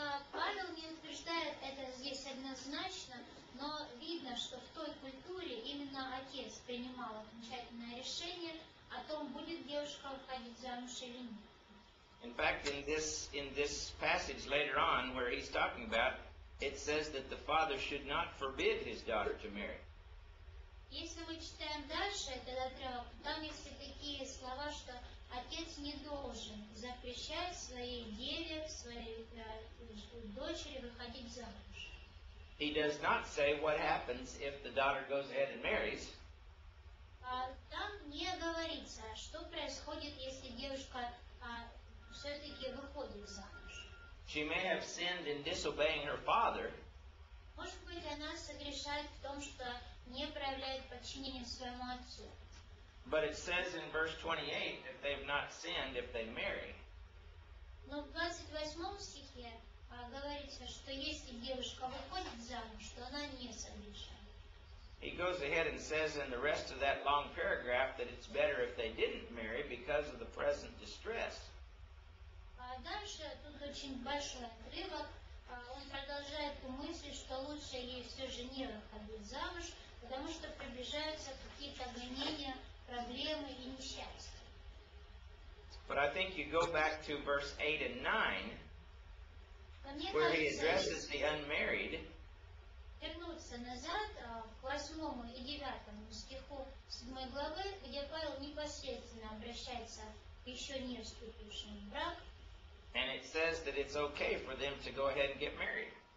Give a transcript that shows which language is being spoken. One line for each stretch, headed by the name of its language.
Russian: Павел не утверждает это здесь однозначно, но видно, что в той культуре именно отец принимал окончательное решение о том, будет девушка выходить замуж или нет.
English: In fact, in this passage later on, where he's talking about, it says that the father should not forbid his daughter to marry.
Russian: Если мы читаем дальше этот отрывок, там есть такие слова, что отец не должен запрещать своей деве, своей дочери выходить замуж.
English: He does not say what happens if the daughter goes ahead and marries.
Russian: Там не говорится, что происходит, если девушка все-таки выходит замуж.
English: She may have sinned in disobeying her father.
Russian: Может быть, она согрешает в том, что не проявляет подчинение своему отцу.
English: But it says in verse 28, if they have not sinned, if they marry.
Russian: Но в 28 стихе говорится, что если девушка выходит замуж, то она не согрешает.
English: He goes ahead and says in the rest of that long paragraph that it's better if they didn't marry because of the present distress.
Russian: Дальше тут очень большой отрывок. Он продолжает ту мысль, что лучше ей все же не выходить замуж, потому что приближаются какие-то гонения, проблемы и несчастья.
English: But I think you go back to verse 8 and 9, where
Russian: кажется,
English: he addresses the unmarried.
Russian: Вернуться назад к 8 и 9 стиху 7 главы, где Павел непосредственно обращается к еще не вступившим в брак.
English: And it says that it's okay for them to go ahead and get married.